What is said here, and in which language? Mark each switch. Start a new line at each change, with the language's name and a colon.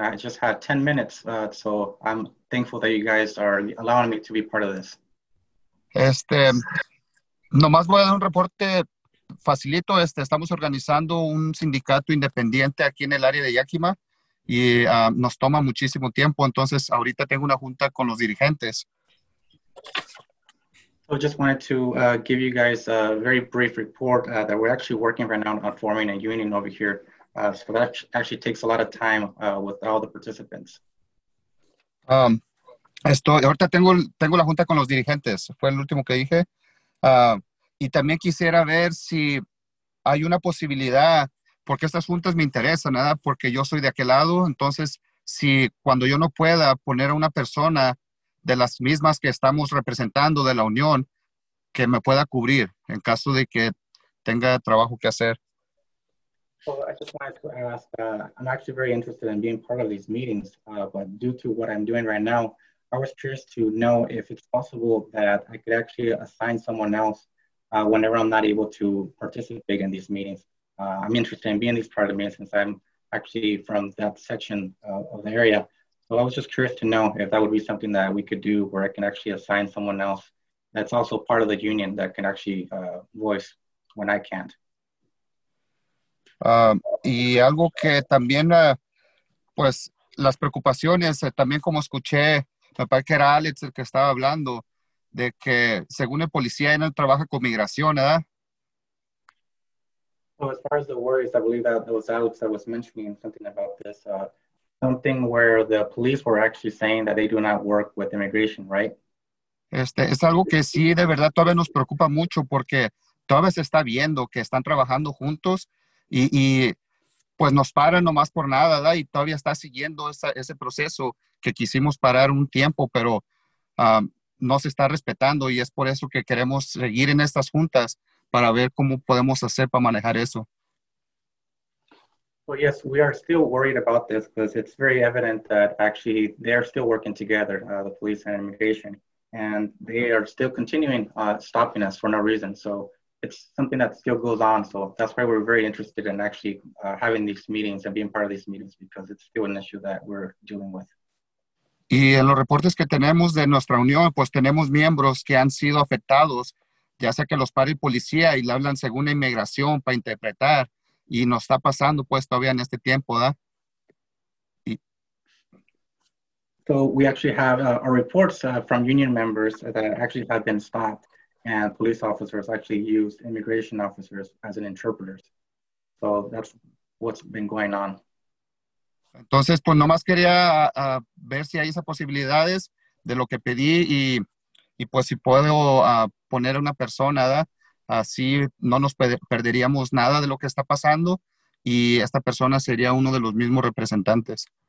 English: I just had 10 minutes, so I'm thankful that you guys are allowing me to be part of this.
Spanish: Nomás voy a dar un reporte facilito. Estamos organizando un sindicato independiente aquí en el área de Yakima y nos toma muchísimo tiempo. Entonces, ahorita tengo una junta con los dirigentes.
English: I just wanted to give you guys a very brief report that we're actually working right now on forming a union over here. So that actually takes a lot of time with all the participants.
Spanish: Estoy, ahorita tengo la junta con los dirigentes, fue el último que dije. Y también quisiera ver si hay una posibilidad, porque estas juntas me interesan, ¿verdad? Porque yo soy de aquel lado, entonces si cuando yo no pueda poner a una persona de las mismas que estamos representando de la unión, que me pueda cubrir en caso de que tenga trabajo que hacer.
English: Well, I just wanted to ask, I'm actually very interested in being part of these meetings, but due to what I'm doing right now, I was curious to know if it's possible that I could actually assign someone else whenever I'm not able to participate in these meetings. I'm interested in being these part of the meetings since I'm actually from that section of the area. So I was just curious to know if that would be something that we could do where I can actually assign someone else that's also part of the union that can actually voice when I can't.
Spanish: Y algo que también, pues, las preocupaciones, también como escuché, me parece que era Alex el que estaba hablando, de que según el policía, él no trabaja con migración, ¿verdad?
English: Well, as far as the worries, I believe that it was Alex that was mentioning something about this, something where the police were actually saying that they do not work with immigration, right?
Spanish: Este, es algo que sí, de verdad, todavía nos preocupa mucho, porque todavía se está viendo que están trabajando juntos, y pues nos paran nomás por nada, ¿verdad? Y todavía está siguiendo ese proceso que quisimos parar un tiempo, pero no se está respetando y es por eso que queremos seguir en estas juntas para ver cómo podemos hacer para manejar eso.
English: Well, yes, we are still worried about this because it's very evident that actually they are still working together, the police and immigration, and they are still continuing stopping us for no reason. So it's something that still goes on. So that's why we're very interested in actually having these meetings and being part of these meetings because it's still an issue that we're dealing with.
Spanish: Y en los reportes que tenemos de nuestra unión, pues tenemos miembros que han sido afectados, ya sea que los para el policía y le hablan según la inmigración para interpretar y nos está pasando pues todavía en este tiempo, ¿verdad?
English: So we actually have our reports from union members that actually have been stopped and police officers actually use immigration officers as an interpreter. So that's what's been going on.
Spanish: Entonces, pues nomás quería ver si hay esas posibilidades de lo que pedí y pues si puedo poner a una persona, ¿da? Así no nos perderíamos nada de lo que está pasando y esta persona sería uno de los mismos representantes.